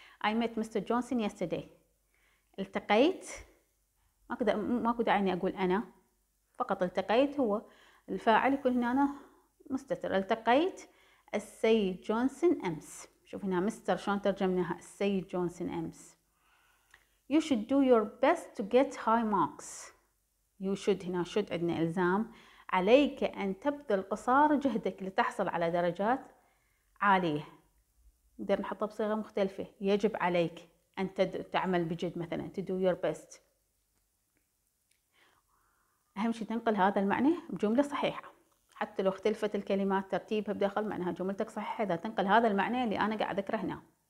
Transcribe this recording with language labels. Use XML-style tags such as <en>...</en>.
<en>I met Mr. Johnson yesterday.</en> <ar>التقيت، ماكو داعي اني اقول انا، فقط التقيت هو الفاعل يكون هنا أنا مستتر. التقيت السيد جونسون امس. شوف هنا مستر شلون ترجمناها، السيد جونسون امس.</ar> <en>You should do your best to get high marks. You should</en> <ar>هنا</ar> <en>should</en> <ar>عندنا إلزام. عليك أن تبذل قصارى جهدك لتحصل على درجات عالية. نقدر نحطها بصيغة مختلفة. يجب عليك أن تعمل بجد مثلا.</ar> <en>To do your best.</en> <ar>أهم شيء تنقل هذا المعنى بجملة صحيحة. حتى لو اختلفت الكلمات ترتيبها بداخل معناها جملتك صحيحة إذا تنقل هذا المعنى اللي أنا قاعد أذكره هنا.</ar>